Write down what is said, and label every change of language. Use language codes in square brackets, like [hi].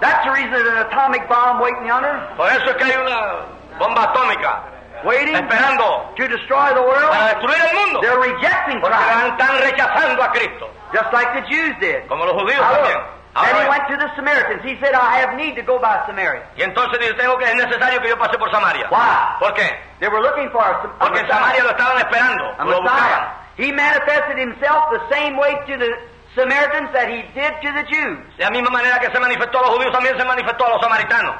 [en] That's the reason there's an atomic bomb waiting on us. [es] Por eso es que hay una bomba atómica. [en] Waiting [es] esperando [en] to destroy the world. [es] Para destruir el mundo. [en] They're rejecting Christ. [es] Porque están rechazando a Cristo. [en] Just like the Jews did. [es] Como los judíos también. [en] Then he went to the Samaritans. He said, I have need to go by Samaria. [es] Y entonces dice, tengo que, es necesario que yo pase por Samaria. [en] Why? [es] ¿Por qué? [en] They were looking for a Messiah. [es] Porque en Samaria lo estaban esperando. [en] A Messiah. He manifested himself the same way to the Samaritans that he did to the Jews. [es] De la misma manera que se manifestó a los judíos, también se manifestó a los samaritanos.